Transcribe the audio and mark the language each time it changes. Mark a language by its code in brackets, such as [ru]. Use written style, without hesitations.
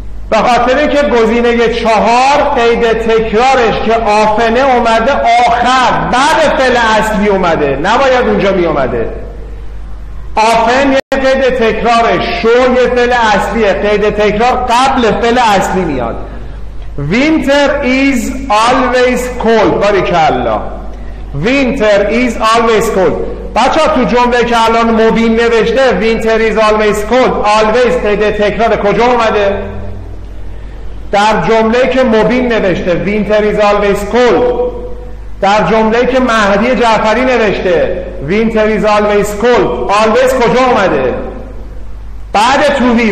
[fa] به خاطر اینکه گزینه 4 قید تکرارش که آفنه اومده آخر، بعد فعل اصلی اومده، نباید اونجا می اومده. آفن یه قید تکراره، شو یه فعل اصلیه، قید تکرار قبل فعل اصلی میاد. [en] Winter is always cold. باریکالله Winter is always cold. [fa] بچه ها تو جمله که الان مبین نوشته [en] Winter is always cold، [fa] always قید تکرار کجا اومده؟ در جمله که مبین نوشته Winter is always cold. در جمله که مهدی جعفری نوشته [en] Winter is always cold، [fa] always کجا اومده؟ بعد تو بی.